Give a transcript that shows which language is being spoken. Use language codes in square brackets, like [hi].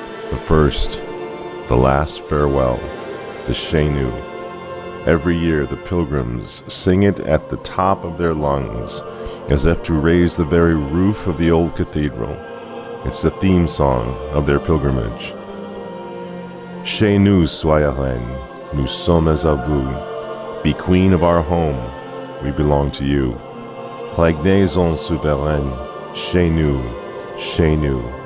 [en] But first, the last farewell, the Chez Nous. Every year the pilgrims sing it at the top of their lungs, as if to raise the very roof of the old cathedral. It's the theme song of their pilgrimage. [fr] Chez nous, soyez reine, nous sommes à vous. [en] Be queen of our home, we belong to you. [fr] Regnez-en souveraine, chez nous, chez nous.